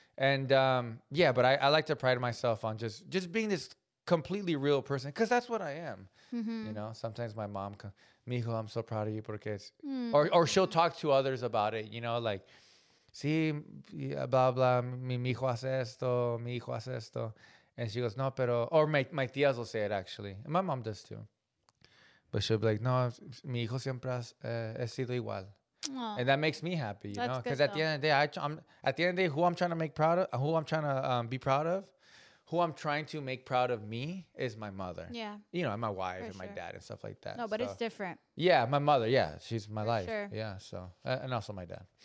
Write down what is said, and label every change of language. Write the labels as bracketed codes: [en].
[en] And yeah, but I like to pride myself on just being this completely real person because that's what I am. Mm-hmm. You know, sometimes my mom, mijo, I'm so proud of you porque it's, or she'll talk to others about it, you know, like, [es] sí, blah, blah, mi hijo hace esto. [en] And she goes, [es] no, pero, [en] or my tías will say it actually. And my mom does too. But she'll be like, [es] no, mi hijo siempre ha sido igual. [en] Aww. And that makes me happy, you know, because at the end of the day, who I'm trying to make proud of, who I'm trying to be proud of, who I'm trying to make proud of me is my mother. Yeah. You know, and my wife for and sure. my dad and stuff like that. No, but so. It's different. Yeah, my mother. Yeah, she's my for life. Sure. Yeah, so. And also my dad.